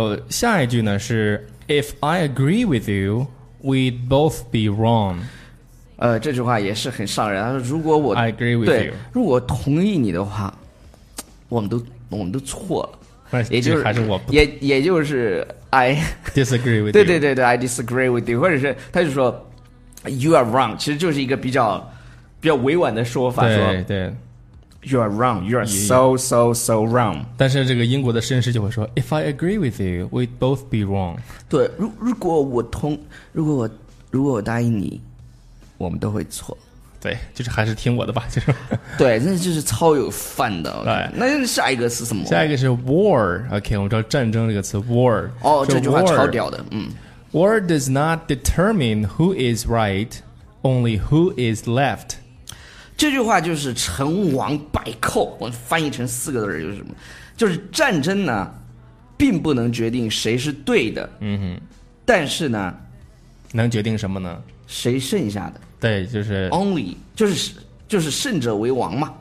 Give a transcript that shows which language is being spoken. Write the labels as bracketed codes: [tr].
[zh] 下一句呢是 [en] If I agree with you, we'd both be wrong。 [zh] 这句话也是很伤人。如果我 [en] I agree with you， [zh] 如果同意你的话，我们都错了。也就是还是我不也就是 I [en] disagree with you。 [zh] 对对对对， [en] I disagree with you， [zh] 或者是他就说 [en] you are wrong， [zh] 其实就是一个比较委婉的说法。对说对 [en] you are wrong， you are so so so wrong。 [zh] 但是这个英国的绅士就会说 [en] if I agree with you we'd both be wrong。 [zh] 对，如果我答应你，我们都会错。对，就是还是听我的吧，就是对，那就是超有范的。Okay，对，那下一个是什么？下一个是 war。OK， 我们知道战争这个词 war。哦，这句话超屌的。 [en] War does not determine who is right, only who is left。 [zh] 这句话就是成王败寇，我翻译成四个字就是什么，就是战争呢并不能决定谁是对的。嗯哼。但是呢能决定什么呢？谁剩下的？对，就是 only， 就是胜者为王嘛。